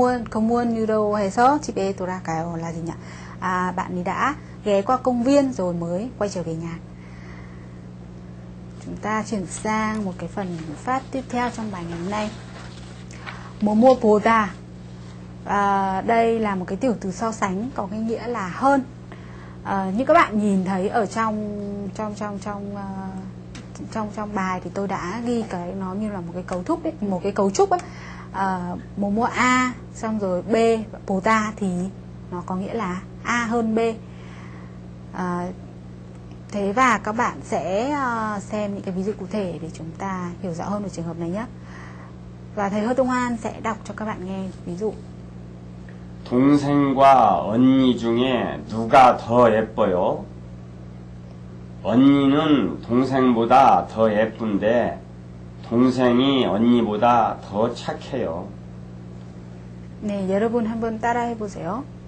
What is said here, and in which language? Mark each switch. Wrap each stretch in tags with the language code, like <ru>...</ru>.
<ko>공원으로 해서 집에 돌아가요.</ko> <vi>Là gì nhỉ? À, bạn ấy đã ghé qua công viên rồi mới quay trở về nhà. Chúng ta chuyển sang một cái phần phát tiếp theo trong bài ngày hôm nay.</vi> <ko>뭐뭐보다.</ko> <vi>À, đây là một cái tiểu từ so sánh có cái nghĩa là hơn. À, như các bạn nhìn thấy ở trong bài thì tôi đã ghi cái nó như là một cái cấu trúc ấy, một cái cấu trúc ấy. À, mùa A xong rồi B, bồ ta thì nó có nghĩa là A hơn B. À, thế và các bạn sẽ xem những cái ví dụ cụ thể để chúng ta hiểu rõ hơn về trường hợp này nhé. Và thầy Hơ Tung An sẽ đọc cho các bạn nghe ví dụ.</vi> <ko>동생과 언니 중에 누가 더 예뻐요? 언니는 동생보다 더 예쁜데 동생이 언니보다 더 착해요. 네, 여러분 한번 따라해 보세요.</ko>